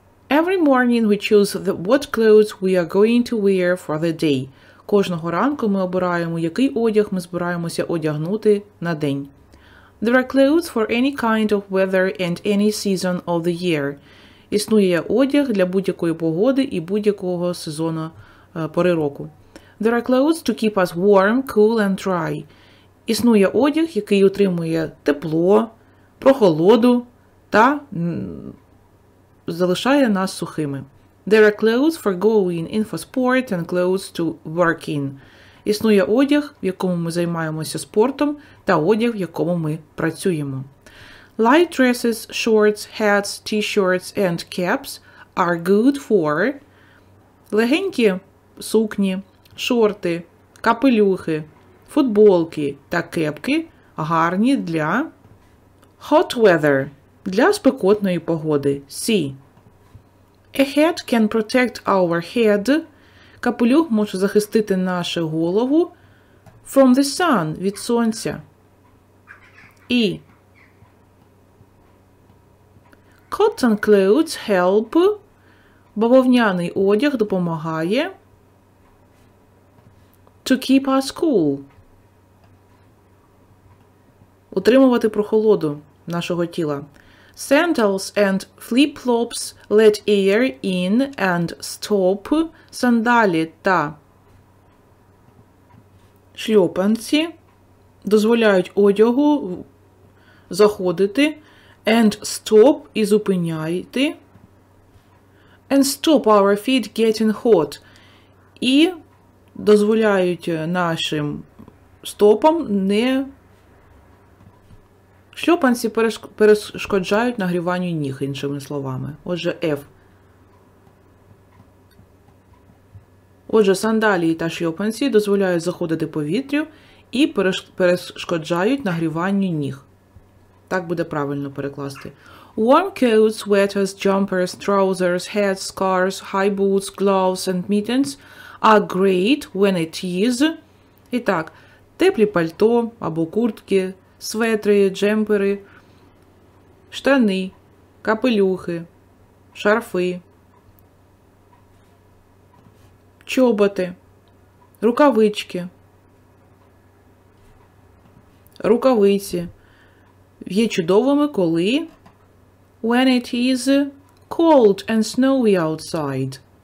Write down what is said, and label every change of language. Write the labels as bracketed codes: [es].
[en] Every morning we choose what clothes we are going to wear for the day. [uk] Кожного ранку ми обираємо, який одяг ми збираємося одягнути на день. [en] There are clothes for any kind of weather and any season of the year. [uk] Існує одяг для будь-якої погоди і будь-якого сезону пори року. [en] There are clothes to keep us warm, cool and dry. [uk] Існує одяг, який утримує тепло, прохолоду та залишає нас сухими. [en] There are clothes for going in for sport and clothes to work in. [uk] Існує одяг, в якому ми займаємося спортом, та одяг, в якому ми працюємо. [en] Light dresses, shorts, hats, t-shirts and caps are good for. [uk] Легенькі сукні, шорти, капелюхи, футболки та кепки гарні для [en] hot weather, [uk] для спекотної погоди. [en] See. A hat can protect our head. [uk] Капелюх може захистити нашу голову [en] from the sun, [uk] від сонця. [en] І cotton clothes help. [uk] Бавовняний одяг допомагає [en] to keep us cool. [uk] Утримувати прохолоду нашого тіла. [en] Sandals and flip-flops let air in and stop. [uk] Сандалі та шльопанці дозволяють одягу заходити [en] and stop [uk] і зупиняти. [en] And stop our feet getting hot. [uk] І дозволяють нашим стопам не шльопанці перешкоджають нагріванню ніг, іншими словами. Отже, F. Отже, сандалії та шльопанці дозволяють заходити повітрю і перешкоджають нагріванню ніг. Так буде правильно перекласти. [en] Warm coats, sweaters, jumpers, trousers, hats, scarves, high boots, gloves and mittens are great when it is. [uk] І так, теплі пальто або куртки, светри, джемпери, штани, капелюхи, шарфи, чоботи, рукавички, рукавиці є чудовими, коли [en] when it is cold and snowy outside.